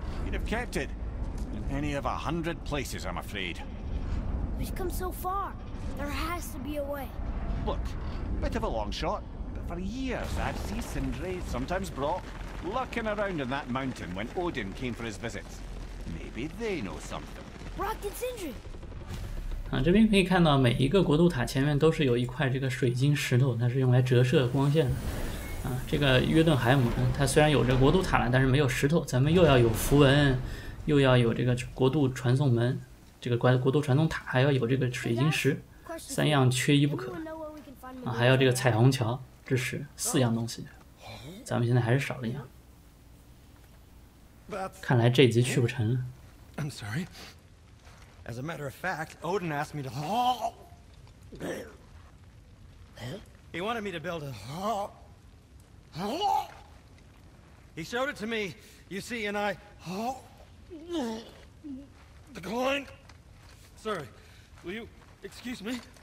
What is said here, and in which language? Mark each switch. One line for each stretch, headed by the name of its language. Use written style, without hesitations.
English: He'd have kept it in any of 100 places, I'm afraid. We've come so far. There has to be a way. Look, bit of a long shot, but for years I've seen Sindri, sometimes Brock, lurking around in that mountain when Odin came for his visits. Maybe they know something. Brock and Sindri!
Chinese: 这边可以看到每一个国度塔前面都是有一块这个水晶石头，它是用来折射光线的。这个约顿海姆它虽然有着国度塔了，但是没有石头，咱们又要有符文，又要有这个国度传送门，这个国度传送塔，还要有这个水晶石，三样缺一不可。还要这个彩虹桥之石，四样东西咱们现在还是少了一样，看来这集去不成了。
English: I'm sorryAs a matter of fact, Odin asked me to... He wanted me to build a... He showed it to me, you see, and I... The coin... Sorry, will you excuse me?